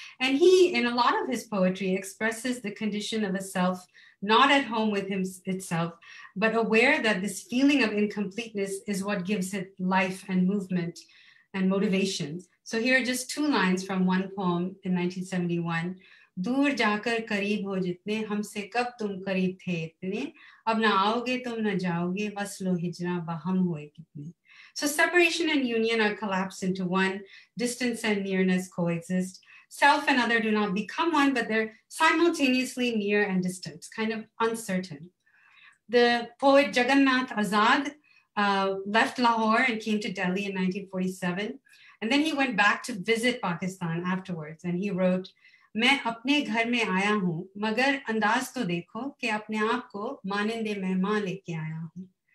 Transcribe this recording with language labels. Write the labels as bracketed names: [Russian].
[English] And he, in a lot of his poetry, expresses the condition of a self not at home with itself, but aware that this feeling of incompleteness is what gives it life and movement and motivation. So here are just two lines from one poem in 1971. [Hindi] दूर जाकर करीब हो जितने हमसे कब तुम करीब थे इतने अब ना आओगे तुम ना जाओगे वसलो हिजरा बहम हुए कितने. [English] So separation and union are collapsed into one. Distance and nearness coexist. Self and other do not become one, but they're simultaneously near and distant, kind of uncertain. The poet Jagannath Azad left Lahore and came to Delhi in 1947, and then he went back to visit Pakistan afterwards, and he wrote, [Hindi] मैं अपने घर में आया हूँ, [English] मगर अंदाज तो देखो कि अपने आप को मानिंदे मेहमान लेके आया हूँ.